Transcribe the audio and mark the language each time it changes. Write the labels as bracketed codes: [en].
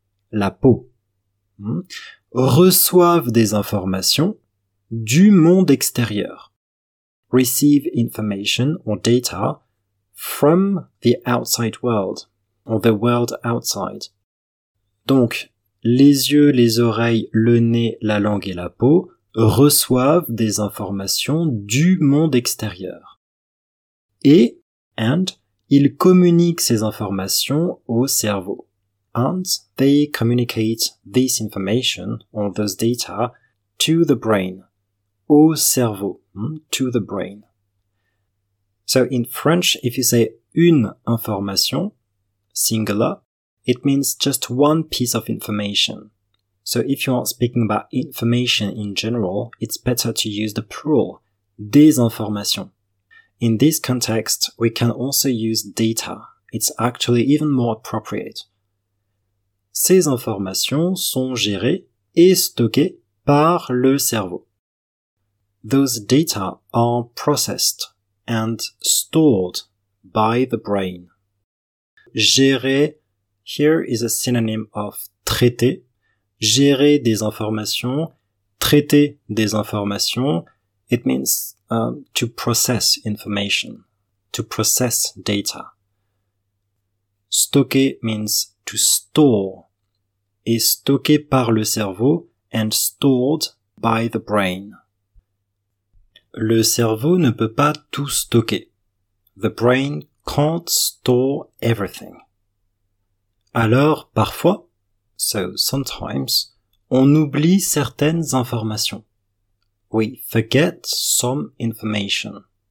[fr] la peau, reçoivent des informations du monde extérieur. [en] Receive information or data from the outside world or the world outside. [fr] Donc, les yeux, les oreilles, le nez, la langue et la peau reçoivent des informations du monde extérieur. Et, and, ils communiquent ces informations au cerveau. [en] and they communicate this information or those data to the brain, [fr] au cerveau, [en] to the brain. So in French, if you say [fr] une information, [en] singular, it means just one piece of information. So if you are speaking about information in general, it's better to use the plural, [fr] des informations. [en] In this context, we can also use data. It's actually even more appropriate. [fr] Ces informations sont gérées et stockées par le cerveau. [en] Those data are processed and stored by the brain. Gérer, here is a synonym of traiter. [fr] Gérer des informations, traiter des informations, [en] it means to process information, to process data. Stocker means to store, [fr] et stocké par le cerveau [en] and stored by the brain. [fr] Le cerveau ne peut pas tout stocker. [en] The brain can't store everything. [fr] Alors, parfois, [en] so sometimes, [fr] on oublie certaines informations. [en] We forget some information.